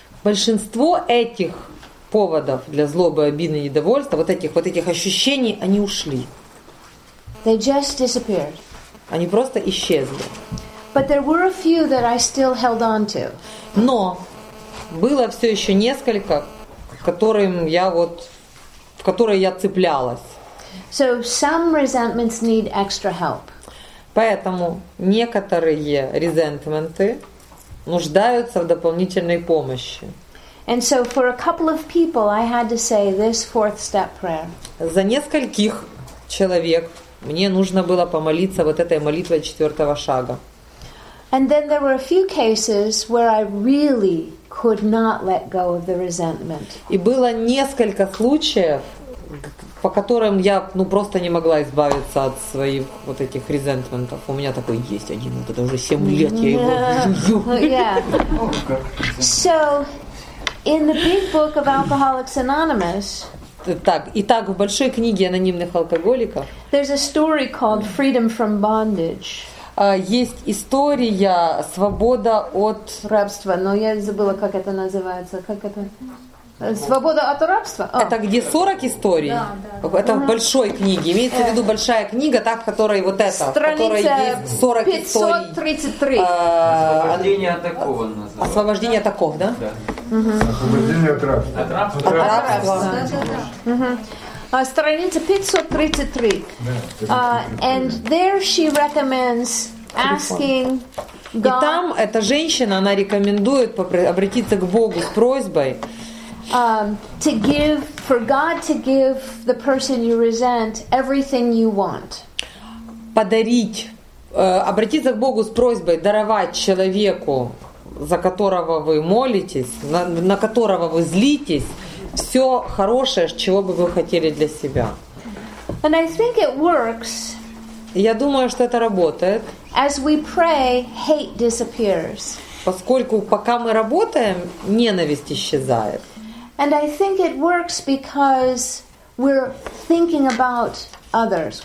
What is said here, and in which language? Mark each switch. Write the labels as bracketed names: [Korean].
[Russian] Большинство этих поводов для злобы, обиды, недовольства, вот этих ощущений, они ушли. [English] They just disappeared. [Russian] Они просто исчезли. [English] But there were a few that I still held on to. [Russian] Но было все еще несколько, которым я вот, в которые я цеплялась. [English] So some resentments need extra help. [Russian] Поэтому некоторые резентменты нуждаются в дополнительной помощи. [English] And so for a couple of people, I had to say this fourth step prayer. [Russian] За нескольких человек мне нужно было помолиться вот этой молитвой четвертого шага. [English] And then there were a few cases where I really could not let go of the resentment. [Russian] И было несколько случаев, по которым я ну просто не могла избавиться от своих вот этих резентментов. У меня такой есть один, вот это уже 7 лет я его жую. [English] Yeah. So in the big book of Alcoholics Anonymous. [Russian] Так, итак, в большой книге анонимных алкоголиков. [English] There's a story called Freedom from Bondage. [Russian] Есть история «Свобода от рабства». Но я забыла, как это называется. Как это? «Свобода от рабства»? Oh. Это где 40 историй? Да, да, да. Это в большой книге. Имеется в виду большая книга, та, в которой вот эта. Страница 533. «Освобождение от такого» называется. «Освобождение от таков», да? Да. «Освобождение от рабства». От рабства. Да, да, да. Страница 533. [English] And there she recommends asking God. [Russian] И там эта женщина, она рекомендует обратиться к Богу с просьбой. [English] To give, for God to give the person you resent everything you want. [Russian] Подарить, обратиться к Богу с просьбой даровать человеку, за которого вы молитесь, на которого вы злитесь, все хорошее, чего бы вы хотели для себя. [English] And I think it works. [Russian] Я думаю, что это работает. [English] As we pray, hate disappears. [Russian] Поскольку пока мы работаем, ненависть исчезает. [English] And I think it works because we're thinking about others.